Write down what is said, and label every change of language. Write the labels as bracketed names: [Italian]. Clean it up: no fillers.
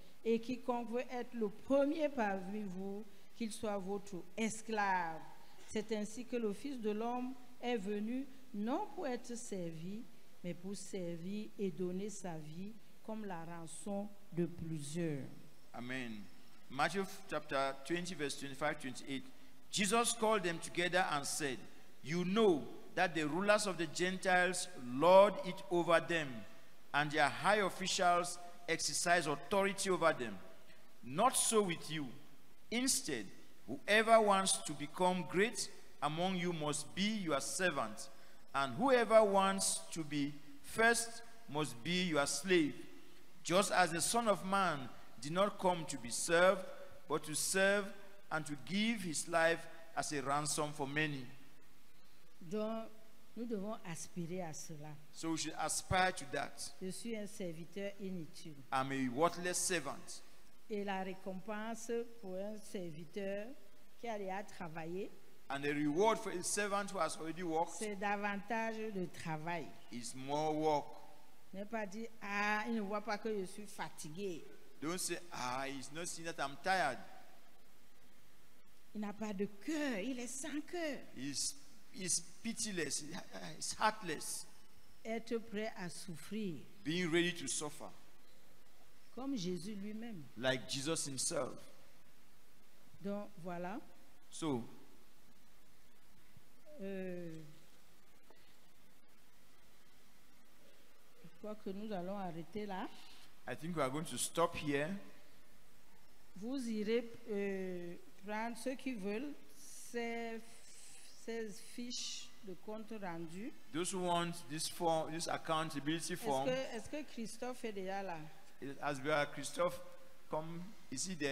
[French] Et quiconque veut être le premier parmi vous, qu'il soit votre esclave. C'est ainsi que le Fils de l'homme est venu, non pour être servi, mais pour servir et donner sa vie comme la rançon de plusieurs. [English] Amen. Matthew chapter 20, verse 25, 28. Jesus called them together and said, you know that the rulers of the Gentiles lord it over them, and their high officials exercise authority over them. Not so with you. Instead, whoever wants to become great among you must be your servant, and whoever wants to be first must be your slave. Just as the Son of Man did not come to be served, but to serve and to give his life as a ransom for many. [French] Donc, nous devons aspirer à cela. [English] So we should aspire to that. [French] Je suis un serviteur inutile. [English] I'm a worthless servant. [French] Et la récompense pour un serviteur qui a déjà travaillé, [English] and the reward for a servant who has already worked, [French] c'est davantage de travail. [English] Is more work. [French] Ne pas dire, ah, il ne voit pas que je suis fatigué. [English] Don't say, ah, he's not seeing that I'm tired. [French] Il n'a pas de cœur, il est sans cœur. [English] He's pitiless, he's heartless. [French] Être prêt à souffrir. [English] Being ready to suffer. [French] Comme Jésus lui-même. [English] Like Jesus himself. [French] Donc, voilà. [English] So, [French] je crois que nous allons arrêter là. [English] I think we are going to stop here. [French] Vous irez prendre ceux qui veulent ces fiches de compte rendu. [English] Those who want this form, this accountability form. [French] Est-ce que Christophe est déjà là? [English] As we are, Christophe, come, is he there?